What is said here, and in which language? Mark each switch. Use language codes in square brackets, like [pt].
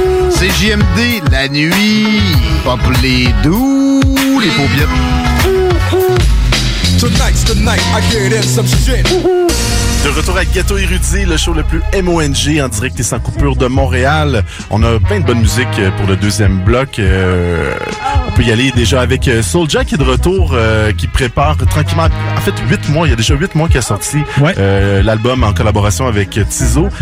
[fr] C'est JMD, la nuit, pop les doux, les paupières. [en] Tonight's the night, I get in some shit. [fr] De retour à Ghetto Érudit, le show le plus MONG en direct et sans coupure de Montréal. On a plein de bonne musique pour le deuxième bloc. On peut y aller déjà avec Soulja qui est de retour, qui prépare tranquillement. En fait, 8 mois, il y a déjà 8 mois qu'il a sorti l'album en collaboration avec Tizo.